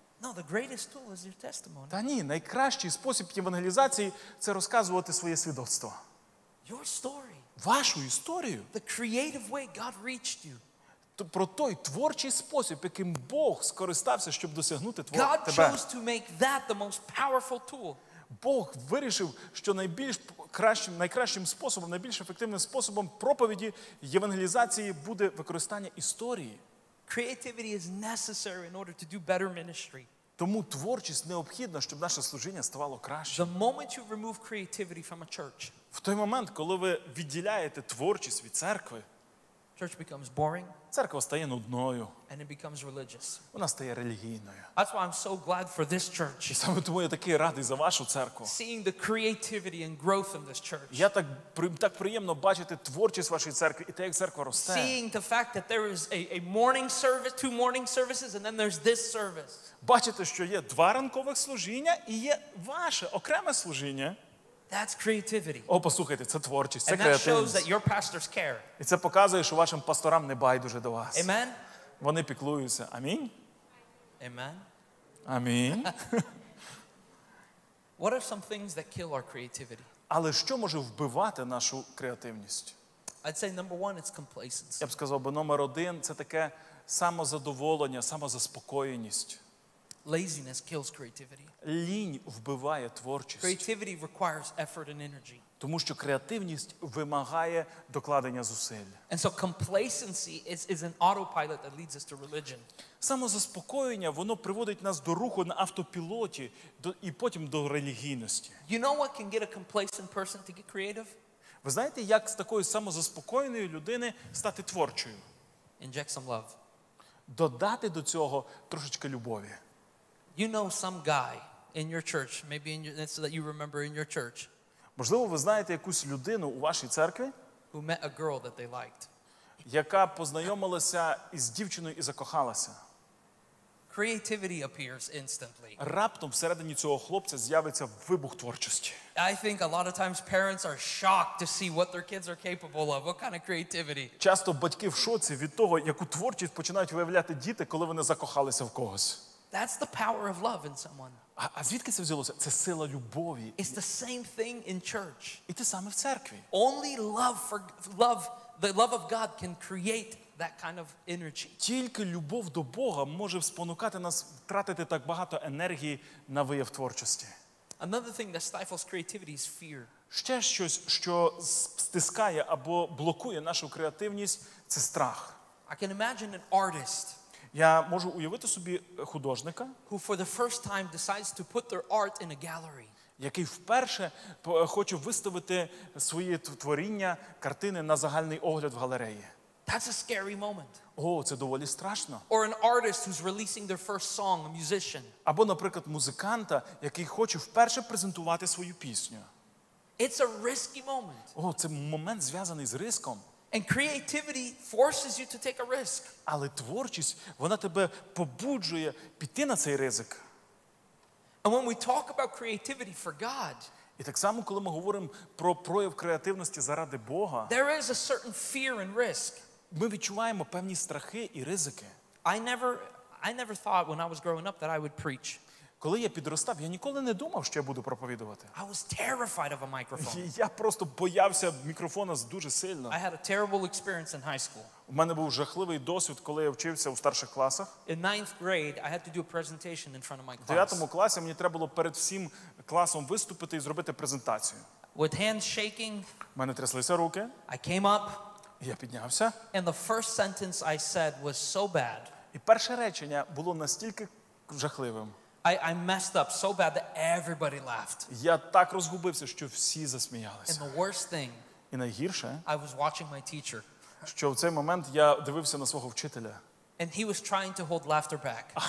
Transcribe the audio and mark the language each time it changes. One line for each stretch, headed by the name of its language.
English: No, the greatest tool is your testimony.
Ukrainian: Та ні, найкращий спосіб євангелізації – це розказувати своє свідоцтво.
English: Your story.
Ukrainian: Вашу історію.
English: The creative way God reached you.
Ukrainian: Про той творчий спосіб, яким Бог скористався, щоб досягнути тебе.
English: God chose to make that the most powerful tool.
Ukrainian: Бог вирішив, що найкращим способом, найбільш ефективним способом проповіді, євангелізації буде використання історії.
English: Creativity is necessary in order to do better ministry.
Ukrainian: Тому творчість необхідна, щоб наше служіння ставало краще.
English: The moment you remove creativity from a church,
Ukrainian: в той момент, коли ви відділяєте творчість від церкви,
English: church becomes boring.
Ukrainian: Церква стає нудною.
English: And it becomes religious.
Ukrainian: Вона стає релігійною.
English: That's why I'm so glad for this church.
Ukrainian: І саме тому я такий радий за вашу церкву.
English: Seeing the creativity and growth in this church.
Ukrainian: Я так приємно бачити творчість вашої церкви і те, як церква росте.
English: Seeing the fact that there is a morning service, two morning services, and then there's this service.
Ukrainian: Бачите, що є два ранкових служіння і є ваше окреме служіння.
English: That's creativity.
Ukrainian: О, послухайте, це творчість, це
English: креативність. And that shows that your pastors care.
Ukrainian: І це показує, що вашим пасторам не байдуже до вас.
English: Amen.
Ukrainian: Вони піклуються. Амінь.
English: Amen.
Ukrainian: Амінь.
English: What are some things that kill our creativity?
Ukrainian: Але що може вбивати нашу креативність?
English: I'd say number one, it's complacency.
Ukrainian: Я б сказав би, номер один, це таке самозадоволення, самозаспокоєність.
English: Laziness kills creativity.
Ukrainian: Лінь вбиває творчість.
English: Creativity requires effort and energy.
Ukrainian: Тому що креативність вимагає докладення зусиль.
English: And so complacency is an autopilot that leads us to religion.
Ukrainian: Самозаспокоєння, воно приводить нас до руху на автопілоті і потім до релігійності.
English: You know what can get a complacent person to get creative?
Ukrainian: Ви знаєте, як з такої самозаспокоєної людини стати творчою?
English: Inject some love.
Ukrainian: додати до цього трошечки любові.
English: You know some guy in your church, maybe in your, that you remember in your church.
Ukrainian: Можливо, ви знаєте якусь людину у вашій церкві,
English: who met a girl that they liked.
Ukrainian: Яка познайомилася із дівчиною і закохалася.
English: Creativity appears instantly.
Ukrainian: Раптом всередині цього хлопця з'явиться вибух творчості.
English: I think a lot of times parents are shocked to see what their kids are capable of. What kind of creativity?
Ukrainian: Часто батьки в шоці від того, яку творчість починають виявляти діти, коли вони закохалися в когось.
English: That's the power of love in someone.
Ukrainian: А звідки це взялося? Це сила любові.
English: It's the same thing in church.
Ukrainian: І те саме в церкві.
English: Only love for love, the love of God can create that kind of energy.
Ukrainian: Тільки любов до Бога може спонукати нас втратити так багато енергії на вияв творчості.
English: Another thing that stifles creativity is fear.
Ukrainian: Ще щось, що стискає або блокує нашу креативність, це страх.
English: I can imagine an artist.
Ukrainian: Я можу уявити собі художника,
English: who for the first time decides to put their art in a gallery.
Ukrainian: Який вперше хоче виставити свої творіння, картини на загальний огляд в галереї.
English: That's a scary moment.
Ukrainian: О, це доволі страшно.
English: Or an artist who's releasing their first song, a musician.
Ukrainian: Або, наприклад, музиканта, який хоче вперше презентувати свою пісню.
English: It's a risky moment.
Ukrainian: О, це момент зв'язаний з риском.
English: And creativity forces you to take a risk.
Ukrainian: Але творчість, вона тебе побуджує піти на цей ризик.
English: And when we talk about creativity for God,
Ukrainian: і так само, коли ми говоримо про прояв креативності заради Бога,
English: there is a certain fear and risk.
Ukrainian: Ми відчуваємо певні страхи і ризики.
English: I never thought when I was growing up that I would preach.
Ukrainian: Коли я підростав, я ніколи не думав, що я буду проповідувати.
English: I was terrified of a microphone.
Ukrainian: Я просто боявся мікрофона дуже сильно.
English: I had a terrible experience in high school.
Ukrainian: У мене був жахливий досвід, коли я вчився у старших класах.
English: In ninth grade, I had to do a presentation in front of my class.
Ukrainian: В 9 класі мені треба було перед всім класом виступити і зробити презентацію.
English: With hands shaking,
Ukrainian: у мене тряслися руки.
English: I came up.
Ukrainian: Я піднявся.
English: And the first sentence I said was so bad.
Ukrainian: І перше речення було настільки жахливим.
English: I messed up so bad that everybody laughed.
Ukrainian: Я так розгубився, що всі засміялися.
English: And the worst thing,
Ukrainian: і найгірше,
English: I was watching my teacher.
Ukrainian: Що в цей момент я дивився на свого вчителя.
English: And he was trying to hold laughter back.